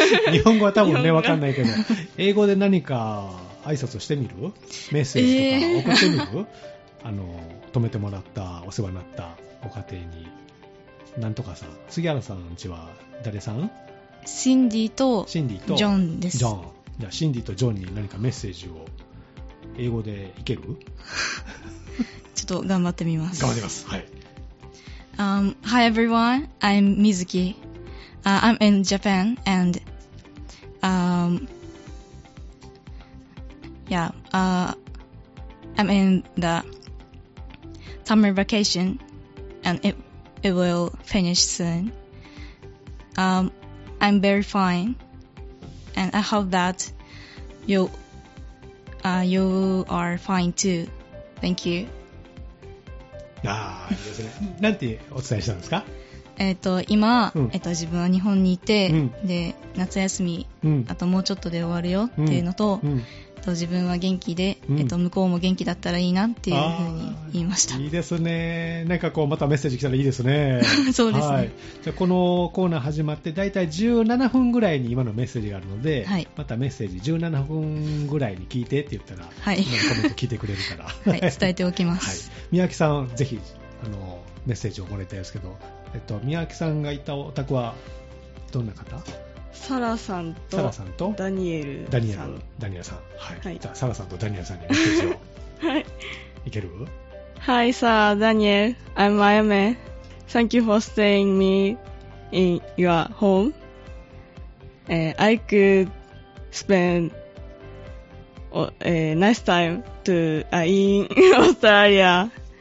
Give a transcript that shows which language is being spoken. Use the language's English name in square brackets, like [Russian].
[Japanese] 日本語は多分ね、分かんないけど、英語で何か挨拶してみる、メッセージとか送ってみる、あの、泊めてもらったお世話になったご家庭に、なんとかさん、杉原さんちは誰さん、シンディとジョンです。ジョン、じゃあシンディとジョンに何かメッセージを英語でいけるちょっと頑張ってみます。頑張ります。はい、 [English] Hi everyone, I'm Mizuki. I'm in Japan and I'm in the summer vacation and it will finish soon. I'm very fine and I hope that you are fine too. Thank you. [Japanese] あ、いいですね。なんてお伝えしたんですか。今、うん、自分は日本にいて、うん、で夏休み、うん、あともうちょっとで終わるよっていうのと、うんうん、自分は元気で、向こうも元気だったらいいなっていうふうに言いました。いいですね。なんかこうまたメッセージ来たらいいですねそうですね、はい、じゃこのコーナー始まってだいたい17分ぐらいに今のメッセージがあるので、はい、またメッセージ17分ぐらいに聞いてって言ったら、はい、今のコメント聞いてくれるから、はい、伝えておきます、はい、三宅さんぜひあのメッセージをもらいたいですけど、三宅さんがいたお宅はどんな方。サラさんとダニエルさん、ダニエルさん、はい、はい、じゃあサラさんとダニエルさんにメッセージをいける。はい、さあダニエル、 [English] I'm Mayame. Thank you for staying me in your home、I could spend、nice time to、in Australia.